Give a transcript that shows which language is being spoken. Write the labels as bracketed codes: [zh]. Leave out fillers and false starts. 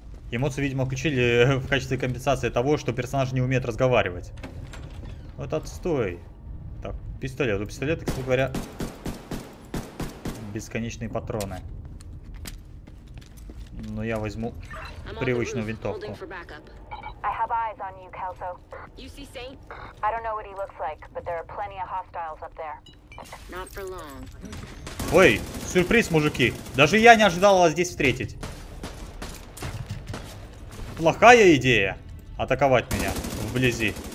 [ru] Эмоции, видимо, включили в качестве компенсации того, что персонаж не умеет разговаривать. Вот отстой. Так, пистолет. У пистолета, кстати говоря, бесконечные патроны. Но я возьму привычную винтовку. [en] I have eyes on you, Kelso. You see Saint? I don't know what he looks like, but there are plenty of hostiles up there. Not for long. [ru] Ой, сюрприз, мужики. Даже я не ожидал вас здесь встретить. Плохая идея атаковать меня вблизи.